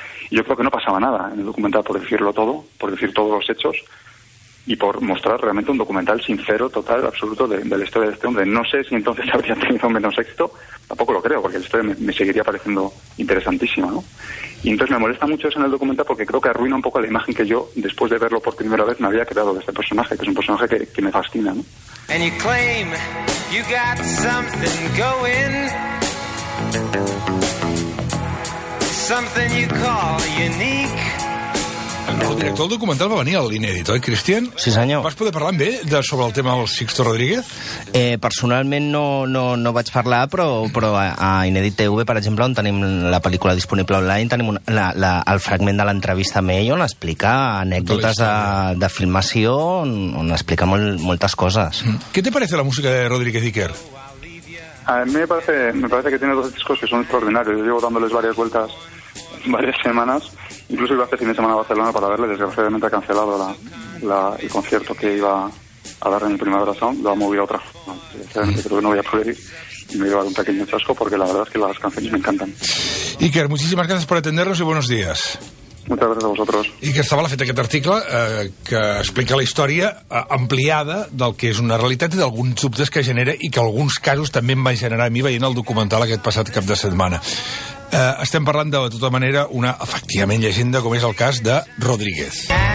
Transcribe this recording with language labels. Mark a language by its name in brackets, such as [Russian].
[Spanish] Y yo creo que no pasaba nada en el documental por decirlo todo, por decir todos los hechos y por mostrar realmente un documental sincero, total, absoluto de la historia de este hombre. No sé si entonces habría tenido menos éxito. Tampoco lo creo, porque la historia me seguiría pareciendo interesantísima, ¿no? Y entonces me molesta mucho eso en el documental porque creo que arruina un poco la imagen que yo, después de verlo por primera vez, me había creado de este personaje, que es un personaje que me fascina, ¿no? [English] And you claim you got something going, something you call unique. [Catalan] El director del documental va venir a l'Inèdit, oi, Cristian? Sí, senyor. Vas poder parlar amb ell sobre el tema del Sixto Rodríguez? Personalment no vaig parlar, però a Inèdit TV, per exemple, on tenim la pel·lícula disponible online, tenim el fragment de l'entrevista amb ell on explica anècdotes de filmació, on explica moltes coses. [Spanish] ¿Qué te parece la música de Rodríguez Iker? A mí me parece que tiene dos discos que son extraordinarios. Yo llevo dándoles varias vueltas, varias semanas. Incluso iba a hacer fin de semana a Barcelona para verle. Desgraciadamente ha cancelado el concierto que iba a dar en el Primavera Sound. Lo ha movido a otra. Desgraciadamente creo que no voy a poder ir. Y me iba a dar un pequeño chasco porque la verdad es que las canciones me encantan. Iker, muchísimas gracias por atendernos y buenos días. [Catalan] Moltes gràcies a vosaltres. I que estava fet aquest article que explica la història ampliada del que és una realitat i d'alguns dubtes que genera i que alguns casos també em va generar a mi veient el documental aquest passat cap de setmana. Estem parlant de tota manera una, efectivament, llegenda, com és el cas de Rodríguez.